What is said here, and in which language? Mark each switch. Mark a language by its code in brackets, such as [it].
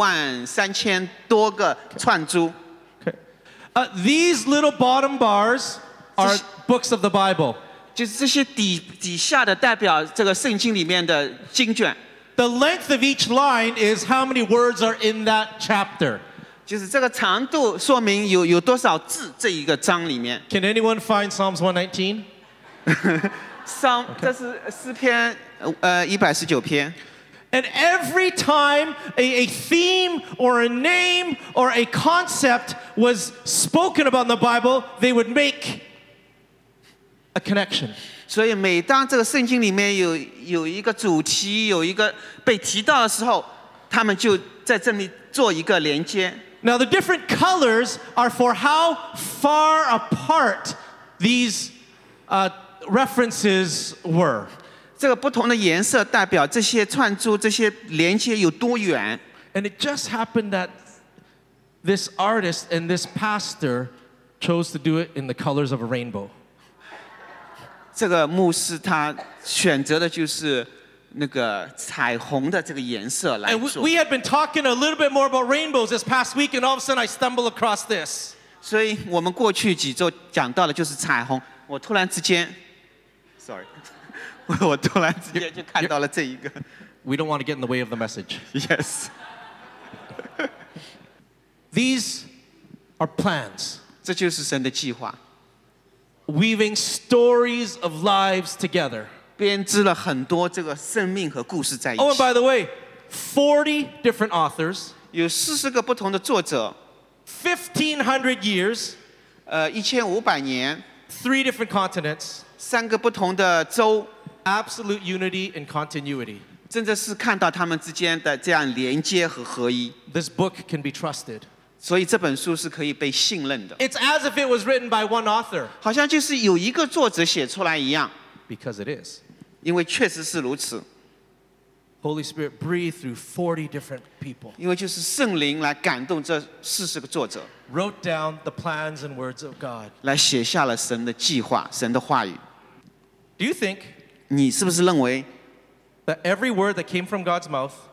[zh] 在圣经里面发现了有63,000多个串珠。 [en] Okay. These little bottom bars are books of the Bible. [zh] 就是这些底下的代表这个圣经里面的经卷。 [en] The length of each line is how many words are in that chapter. [zh] 就是这个长度说明有多少字这一个章里面。 [en] Can anyone find Psalms 119? [zh] 这是诗篇119篇。 [en] And every time a theme or a name or a concept was spoken about in the Bible, they would make a connection. [zh] 所以每当这个圣经里面 有一个主题有一个被提到的时候他们就在这里做一个连接 [en] Now the different colors are for how far apart these references were [zh] 这个不同的颜色代表这些串珠这些连接有多远 [en] And it just happened that this artist and this pastor chose to do it in the colors of a rainbow [zh] 这个牧师他选择的就是那个彩虹的这个颜色来做。 [en] And we had been talking a little bit more about rainbows this past week, and all of a sudden I stumble across this. [zh] 所以我们过去几周讲到的就是彩虹，我突然之间 ，sorry， 我突然之间就看到了这一个。 [en] We don't want to get in the way of the message. Yes. These are plans. [zh] 这就是神的计划。 [en] Weaving stories of lives together. [zh] 编织了很多这个生命和故事在一起。 [en] Oh, and by the way, 40 different authors. [zh] 有四十个不同的作者。 [en] 1500 years. [zh] 1500年。 [en] Three different continents. [zh] 三个不同的州。 [en] Absolute unity and continuity. [zh] 真的是看到他们之间的这样连接和合一。 [en] This book can be trusted. [zh] 所以这本书是可以被信任的。 [en] It's as if it was written by one author. [zh] 好像就是有一个作者写出来一样。 [en] Because it is. [zh] 因为确实是如此。 [en] Holy Spirit breathed through 40 different people. [zh] 因为就是圣灵来感动这四十个作者。 [en] Wrote down the plans and words of God. [zh] 来写下了神的计划，神的话语。 [en] Do you think? [zh] 你是不是认为 [en] that every word that came from God's mouth?